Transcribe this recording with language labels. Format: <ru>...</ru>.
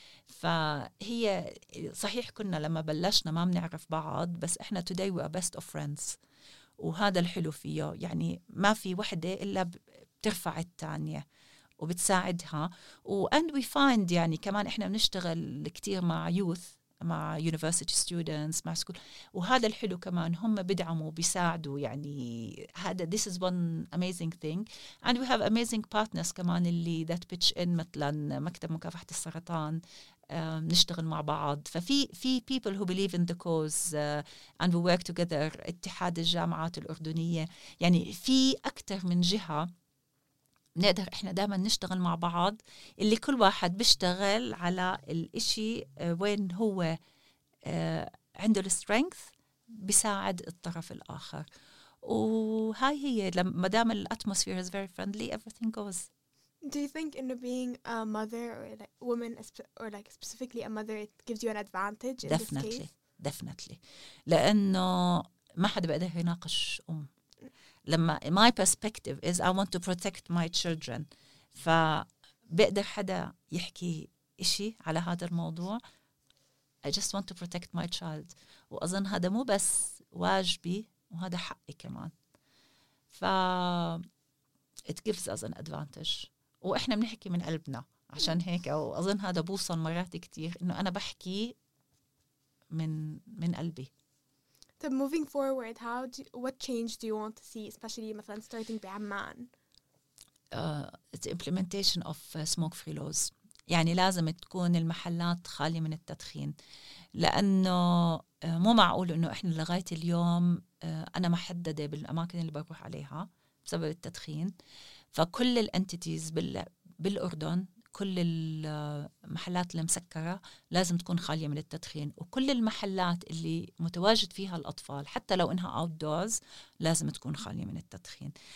<ar>فهي صحيح كنا لما بلشنا ما بنعرف بعض, بس احنا</ar> <en>today we are best of friends,</en> <ar>وهذا الحلو فيه. يعني ما في وحدة إلا بترفع التانية وبتساعدها.</ar> <en>And we find</en> <ar>يعني كمان إحنا بنشتغل كتير مع youth, مع</ar> <en>university students,</en> <ar>مع school, وهذا الحلو كمان هم بدعموا بيساعدوا. يعني هذا</ar> <en>this is one amazing thing. And we have amazing partners</en> <ar>كمان اللي</ar> <en>that pitch in,</en> <ar>مثلا مكتب مكافحة السرطان نشتغل مع بعض. ففي</ar> <en>people who believe in the cause and we work together,</en> <ar>اتحاد الجامعات الأردنية, يعني في أكتر من جهة نقدر إحنا دائما نشتغل مع بعض, اللي كل واحد بيشتغل على الإشي وين هو عنده strength بيساعد الطرف الآخر. وهاي هي لما دام</ar> <en>the atmosphere is very friendly, everything goes. Do you think in being a mother or like woman or like specifically a mother, it gives you an advantage in definitely, this case? Definitely, definitely.</en> <ar>لأنه ما حد بقدر يناقش أم.</ar> <en>لما my perspective is I want to protect my children,</en> <ar>فبقدر حدا يحكي إشي على هذا الموضوع.</ar> <en>I just want to protect my child.</en> <ar>وأظن هذا مو بس واجبي وهذا حقي كمان.</ar> <en>ف it gives us an advantage.</en> <ar>وإحنا بنحكي من قلبنا, عشان هيك أو أظن هذا بوصل مرات كتير إنه أنا بحكي من قلبي.</ar> <en>طب moving forward, how do you, what change do you want to see, especially مثلاً starting بعمان؟ It's implementation of smoke free laws.</en> <ar>يعني لازم تكون المحلات خالية من التدخين, لأنه مو معقول إنه إحنا لغاية اليوم أنا محددة بالأماكن اللي بروح عليها بسبب التدخين. فكل الانتيتيز بالأردن, كل المحلات المسكرة لازم تكون خالية من التدخين, وكل المحلات اللي متواجد فيها الأطفال حتى لو إنها outdoors لازم تكون خالية من التدخين.</ar>